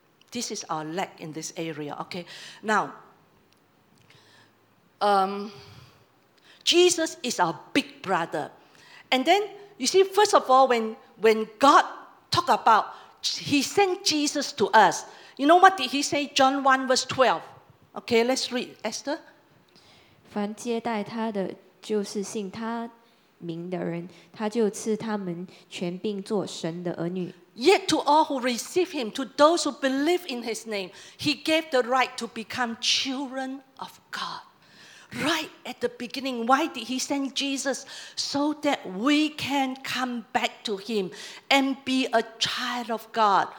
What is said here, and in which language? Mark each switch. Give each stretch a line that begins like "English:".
English: This is our lack in this area, okay? Now, Jesus is our big brother. And then, you see, first of all, when God talked about, he sent Jesus to us. You know what did he say? John 1 verse 12. Okay, let's read, Esther.
Chinese: 凡接待他的，就是信他名的人，他就赐他们权柄做神的儿女。
English: Yet to all who receive him, to those who believe in his name, he gave the right to become children of God. Right at the beginning, why did he send Jesus? So that we can come back to him and be a child of God.